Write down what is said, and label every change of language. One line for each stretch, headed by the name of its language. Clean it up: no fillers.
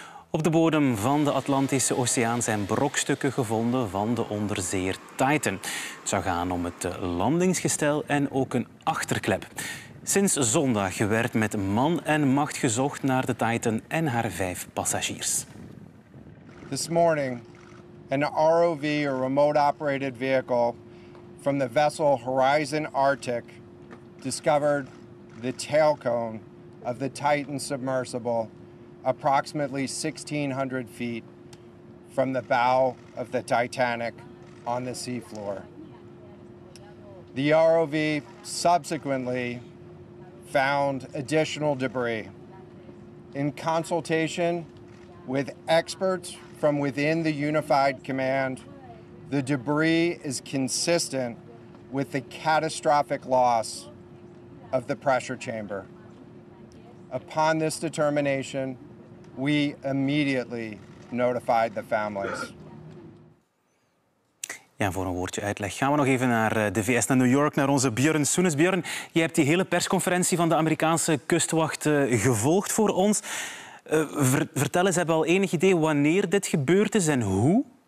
Dutch: Op de bodem van de Atlantische Oceaan zijn brokstukken gevonden van de onderzeeër Titan. Het zou gaan om het landingsgestel en ook een achterklep. Sinds zondag werd met man en macht gezocht naar de Titan en haar 5 passagiers.
English: This morning, an ROV, a remote operated vehicle, from the vessel Horizon Arctic, discovered the tail cone of the Titan submersible, approximately 1,600 feet from the bow of the Titanic on the seafloor. The ROV subsequently found additional debris. In consultation with experts from within the Unified Command, the debris is consistent with the catastrophic loss of the pressure chamber. Upon this determination, we immediately notified the families.
Dutch: Ja, voor een woordje uitleg gaan we nog even naar de VS, naar New York, naar onze Björn Soenes. Björn, jij hebt die hele persconferentie van de Amerikaanse kustwacht gevolgd voor ons. Vertel eens, hebben we al enig idee wanneer dit gebeurd is en hoe?